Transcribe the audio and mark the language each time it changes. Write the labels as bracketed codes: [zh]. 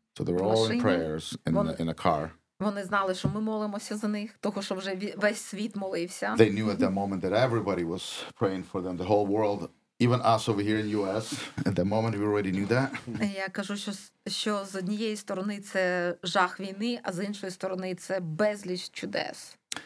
[en] So they were all in prayers in a car. [uk] Вони знали, що ми молимося за них, того, що вже весь світ молився. [en] They knew at that moment that everybody was praying for them, the whole world, even us over here in US. At that moment we already knew that. [uk] Я кажу, що з однієї сторони це жах війни, а з іншої сторони це безліч чудес.